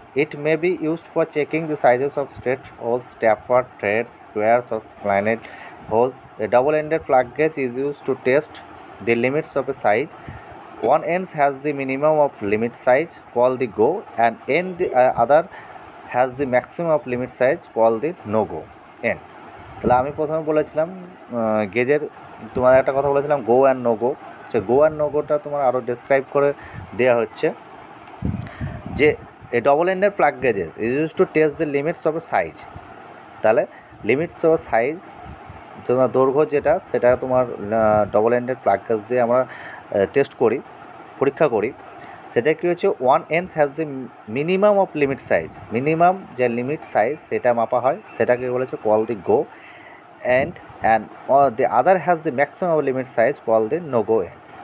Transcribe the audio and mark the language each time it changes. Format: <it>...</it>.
<en>It may be used for checking the sizes of straight holes, tapers, threads, squares of splined holes. A double ended plug gauge is use to test the limits of a size. One end has the minimum of limit size called the go, and end the other has the maximum of limit size called the no go end.</en> <bn>তাহলে আমি প্রথমে বলেছিলাম গেজের তোমার একটা কথা বলেছিলাম go and no go, say go and no গোটা তোমার আরও ডিসক্রাইব করে দেওয়া হচ্ছে যে</bn> <en>A double এন্ডের plug gauges is use to test the limits of size.</en> <bn>তাহলে লিমিটস অফ সাইজ তোমার দৈর্ঘ্য যেটা সেটা তোমার ডবল এন্ডের প্লাগ গেজ দিয়ে আমরা টেস্ট করি, পরীক্ষা করি, সেটা কী হচ্ছে</bn> <en>one ends has the minimum of limit size,</en> <bn>minimum যে লিমিট সাইজ সেটা মাপা হয় সেটাকে বলেছে</bn> <en>Call the go end, and the other has the maximum of limit size call the no go end.</en>